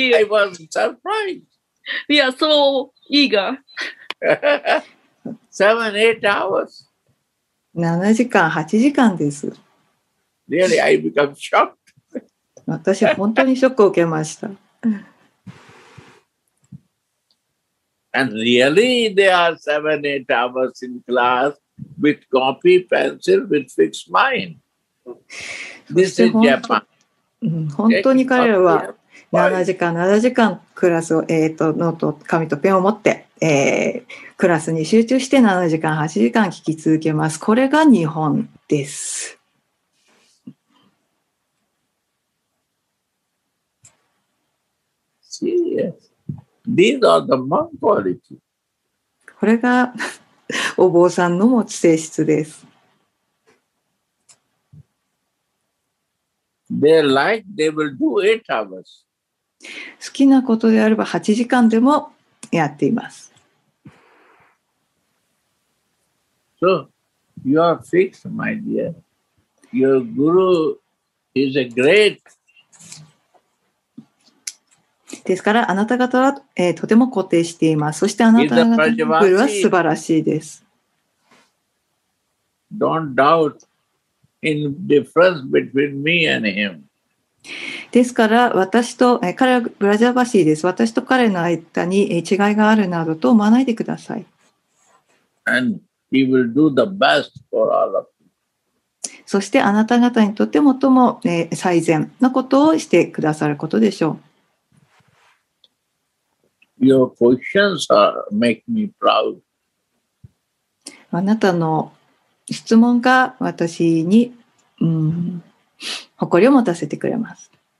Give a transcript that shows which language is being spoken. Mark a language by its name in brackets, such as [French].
[English] I was surprised. We are so eager. 7-8 hours. [Japanese] 7時間、8時間です。 [English] Really, I become shocked. [Japanese] 私は本当にショックを受けました。 [English] And really, they are 7-8 hours in class with copy, pencil, with fixed mind. This is Japan. [Japanese] 本当に彼らは7時間、7時間クラスを、ノート、紙とペンを持って、クラスに集中して7時間、8時間聞き続けます。これが日本です。 [English] These are the monk quality. [Japanese] これがお坊さんの持ち性質です。 [English] They like, they will do 8 hours. [Japanese] 好きなことであれば8時間でもやっています。 [English] So, you are fixed, my dear. Your guru is a great... [Japanese] ですからあなた方は、とても固定しています。そしてあなた方のグルは素晴らしいです。 [English] Don't doubt in difference between me and him. [Japanese] ですから私と、彼はブラジャバシーです。私と彼の間に違いがあるなどと思わないでください。 [English] And he will do the best for all of you. [Japanese] そしてあなた方にとって最も、最善のことをしてくださることでしょう。 [English] Your questions are make me proud. [Japanese] あなたの質問が私に、誇りを持たせてくれます。